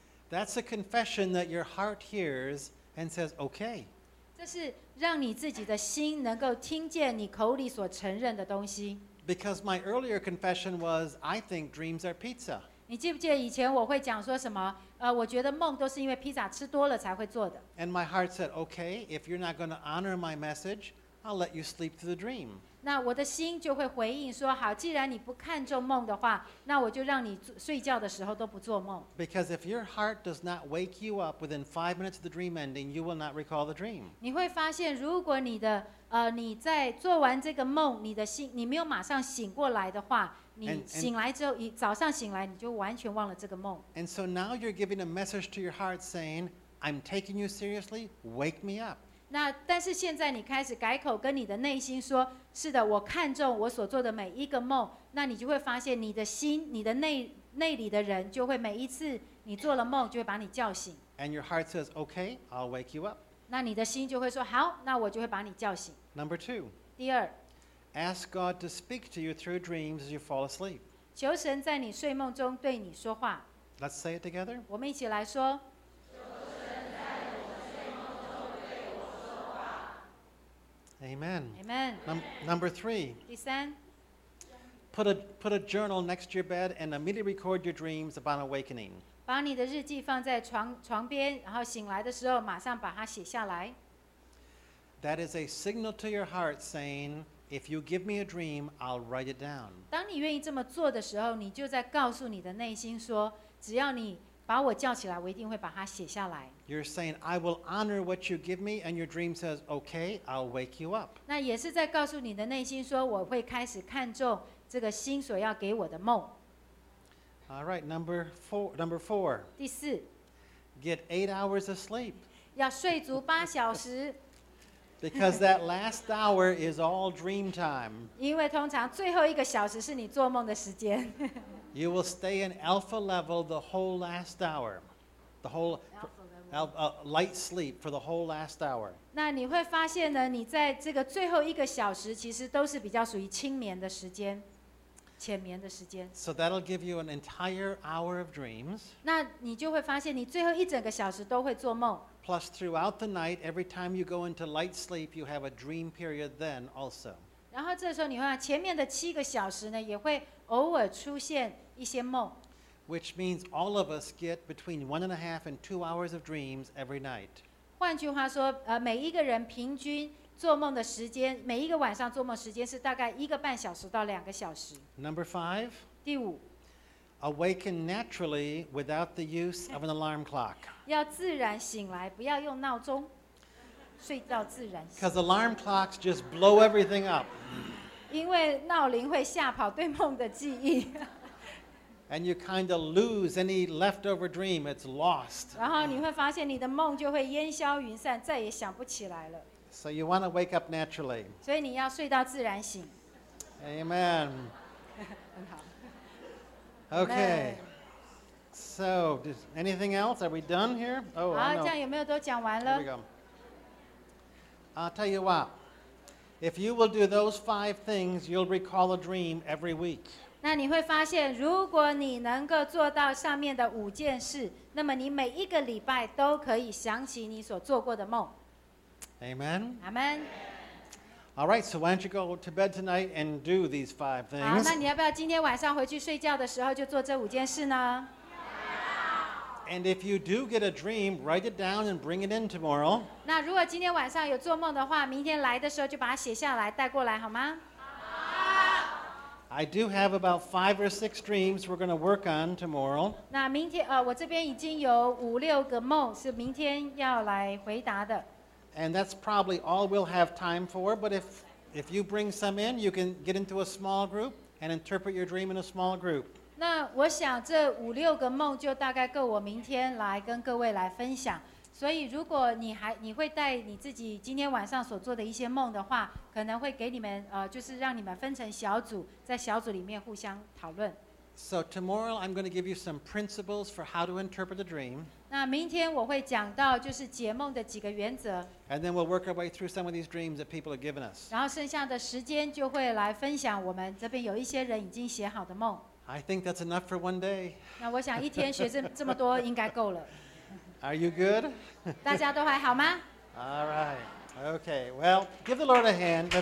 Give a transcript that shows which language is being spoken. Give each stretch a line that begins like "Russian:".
English: That's a confession that your heart hears and says, okay.
Chinese: 这是让你自己的心能够听见你口里所承认的东西。
English: Because my earlier confession was, I think dreams are pizza.
Chinese: 你记不记得以前我会讲说什么？我觉得梦都是因为披萨吃多了才会做的。
English: And my heart said, okay, if you're not going to honor my message, I'll let you sleep through the dream.
Chinese: 那我的心就会回应说，好，既然你不看重梦的话，那我就让你睡觉的时候都不做梦。
English: Because if your heart does not wake you up within 5 minutes of the dream ending, you will not recall the dream.
Chinese: 你会发现，如果你的你在做完这个梦，你的心你没有马上醒过来的话，你醒来之后，早上醒来你就完全忘了这个梦。
English: And so now you're giving a message to your heart saying, I'm taking you seriously, wake me up.
Chinese: 那但是现在你开始改口跟你的内心说，是的，我看中我所做的每一个梦，那你就会发现你的心，你的内里的人就会每一次你做了梦就会把你叫醒。
English: And your heart says, okay, I'll wake you up.
Chinese: 那你的心就会说，好，那我就会把你叫醒。
English: Number two.
Chinese: 第二。
English: Ask God to speak to you through dreams as you fall asleep.
Chinese: 求神在你睡梦中对你说话。
English: Let's say it together.
Chinese: 我们一起来说。
English: Amen. Amen. Number three.
Chinese: 第三。
English: Put a journal next to your bed and immediately record your dreams upon awakening.
Chinese: 把你的日记放在床边，然后醒来的时候马上把它写下来。
English: That is a signal to your heart saying, if you give me a dream, I'll write it down.
Chinese: 当你愿意这么做的时候，你就在告诉你的内心说，只要你把我叫起来，我一定会把它写下来。
English: You're saying, I will honor what you give me, and your dream says, okay, I'll wake you up.
Chinese: 那也是在告诉你的内心说，我会开始看重这个心所要给我的梦。
English: All right, number four.
Chinese: 第四。
English: Get 8 hours of sleep.
Chinese: 要睡足八小时。
English: Because that last hour is all dream time.
Chinese: 因为通常最后一个小时是你做梦的时间。
English: You will stay in alpha level the whole last hour. The whole light sleep for the whole last hour.
Chinese: 那你会发现呢，你在这个最后一个小时其实都是比较属于轻眠的时间，浅眠的时间。
English: So that'll give you an entire hour of dreams.
Chinese: 那你就会发现你最后一整个小时都会做梦。
English: Plus throughout the night, every time you go into light sleep, you have a dream period then also.
Chinese: 然后这时候你会看前面的七个小时呢，也会偶尔出现一些梦。
English: Which means all of us get between 1.5 and 2 hours of dreams every night.
Chinese: 换句话说，每一个人平均做梦的时间，每一个晚上做梦时间是大概1.5小时到2小时。
English: Number five.
Chinese: 第五。
English: Awaken naturally without the use of an alarm clock.
Chinese: 要自然醒来，不要用闹钟，睡到自然醒。
English: Because alarm clocks just blow everything up.
Chinese: 因为闹铃会吓跑对梦的记忆。
English: And you kind of lose any leftover dream, it's lost.
Chinese: 然后你会发现你的梦就会烟消云散，再也想不起来了。
English: So you want to wake up naturally.
Chinese: 所以你要睡到自然醒。
English: Amen.
Chinese: 很好。
English: Okay. So, anything else? Are we done here?
Chinese: Oh, 好，这样有没有都讲完了？
English: Here we go. I'll tell you what. If you will do those five things, you'll recall a dream every week.
Chinese: 那你会发现，如果你能够做到上面的五件事，那么你每一个礼拜都可以想起你所做过的梦。
English: Amen. Amen. All right. So why don't you go to bed tonight and do these five things?
Chinese: 好，那你要不要今天晚上回去睡觉的时候就做这五件事呢？
English: And if you do get a dream, write it down and bring it in tomorrow.
Chinese: 那如果今天晚上有做梦的话，明天来的时候就把它写下来带过来好吗？
English: I do have about 5 or 6 dreams we're going to work on tomorrow.
Chinese: 那明天我这边已经有五六个梦是明天要来回答的。
English: And that's probably all we'll have time for, but if you bring some in, you can get into a small group and interpret your dream in a small group.
Chinese: 那我想这五六个梦就大概够我明天来跟各位来分享。所以如果你会带你自己今天晚上所做的一些梦的话，可能会给你们就是让你们分成小组，在小组里面互相讨论。
English: So tomorrow I'm going to give you some principles for how to interpret the dream.
Chinese: 那明天我会讲到就是解梦的几个原则。
English: And then we'll work our way through some of these dreams that people have given us.
Chinese: 然后剩下的时间就会来分享我们这边有一些人已经写好的梦。
English: I think that's enough for one day.
Chinese: 那我想一天学这么多应该够了。
English: Are you good?
Chinese: 大家都还好吗?
English: All right. Okay. Well, give the Lord a hand. Let's